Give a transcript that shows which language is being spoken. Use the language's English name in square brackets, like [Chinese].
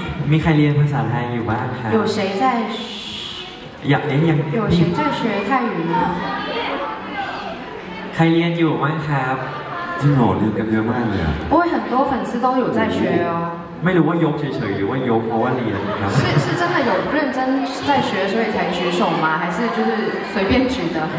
[Thai] มีใครเรียนภาษาไทยอยู่บ้างครับ [Chinese] 有谁在？有谁在学泰语呢？ [Thai] ใครเรียนอยู่บ้างครับ จริงเหรอเรียนกันเยอะมากเลยอ่ะ [Chinese] 我很多粉丝都有在学哦 [Thai] ไม่รู้ว่ายกเฉยๆหรือว่ายกเพราะว่าเรียนครับ [Chinese] 是真的有认真在学所以才举手吗还是就是随便举的